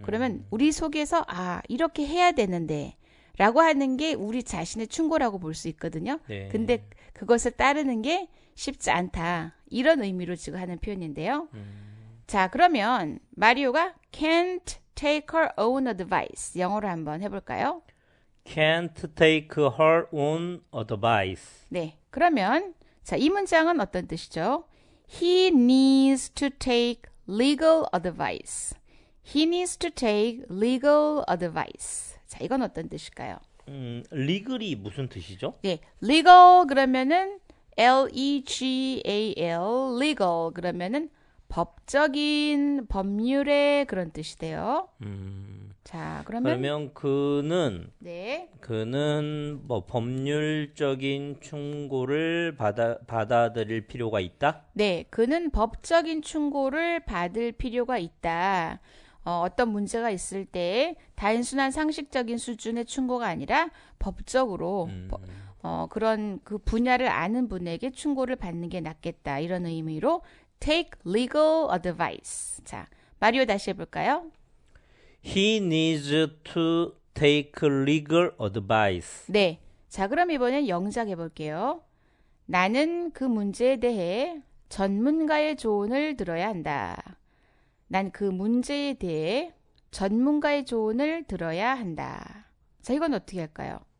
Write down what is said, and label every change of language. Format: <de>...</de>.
<ko>그러면 우리 속에서 아 이렇게 해야 되는데 라고 하는 게 우리 자신의 충고라고 볼수 있거든요. 근데 그것을 따르는 게 쉽지 않다 이런 의미로 지금 하는 표현인데요. 자 그러면 마리오가</ko> <en>can't take her own advice</en> <ko>영어로 한번 해볼까요?</ko> <en>Can't take her own advice.</en> <ko>네, 그러면 자, 이 문장은 어떤 뜻이죠?</ko> <en>He needs to take legal advice. He needs to take legal advice.</en> <ko>자, 이건 어떤 뜻일까요? 리글이 무슨 뜻이죠? 네, legal 그러면은 legal, legal 그러면은 법적인 법률의 그런 뜻이 돼요. 자, 그러면 그러면 그는 네. 뭐 법률적인 충고를 받아들일 필요가 있다? 네, 그는 법적인 충고를 받을 필요가 있다. 어떤 문제가 있을 때 단순한 상식적인 수준의 충고가 아니라 법적으로 그런 그 분야를 아는 분에게 충고를 받는 게 낫겠다. 이런 의미로</ko> <en>take legal advice.</en> <ko>자, 마리오 다시 해볼까요?</ko> <en>He needs to take legal advice.</en> <ko>네, 자, 그럼 이번엔 영작 해볼게요. 나는 그 문제에 대해 전문가의 조언을 들어야 한다. 난그 문제에 대해 전문가의 조언을 들어야 한다. 자, 이건 어떻게 할까요?</ko>